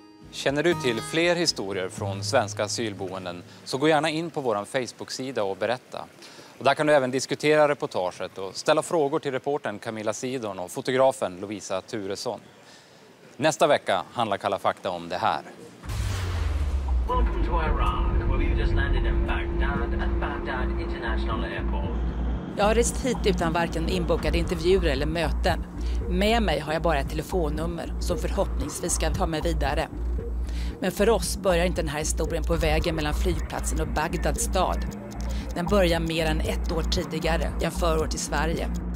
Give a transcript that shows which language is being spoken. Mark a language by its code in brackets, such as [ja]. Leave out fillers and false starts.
[sv] Känner du till fler historier från svenska asylboenden så gå gärna in på vår Facebook-sida och berätta. Och där kan du även diskutera reportaget och ställa frågor till reportern Camilla Sidon och fotografen Lovisa Turesson. Nästa vecka handlar Kalla fakta om det här. [en] Welcome to Iran, where we've just landed in Baghdad at Baghdad International Airport. [sv] Jag har rest hit utan varken inbokade intervjuer eller möten. Med mig har jag bara ett telefonnummer som förhoppningsvis ska ta mig vidare. Men för oss börjar inte den här historien på vägen mellan flygplatsen och Bagdads stad. Den börjar mer än ett år tidigare, i en förort i Sverige.